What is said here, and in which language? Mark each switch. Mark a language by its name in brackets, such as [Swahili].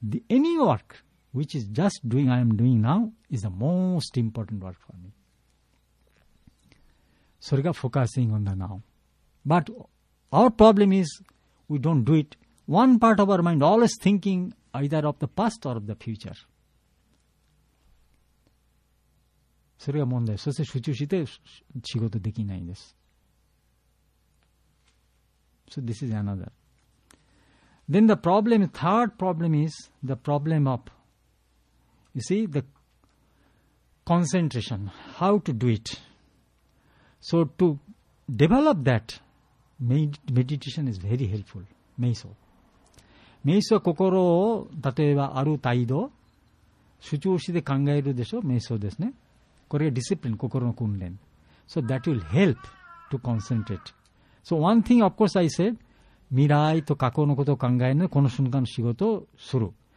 [English] Any work which is just doing, I am doing now, is the most important work for me. So we are focusing on the now. But our problem is we don't do it. One part of our mind always thinking either of the past or of the future. [Japanese] それが問題。そして集中して仕事できないんです。 [English] So this is another. Then the problem, third problem is the problem of, you see, the concentration. How to do it? So to develop that, meditation is very helpful. [Japanese] Meiso. Meiso は心を、例えばある態度、集中して考えるでしょ、瞑想ですね。これがディシプリン、心の訓練。 [English] So that will help to concentrate. So one thing, of course, I said, [Japanese] 未来と過去のことを考えるのでこの瞬間の仕事をする。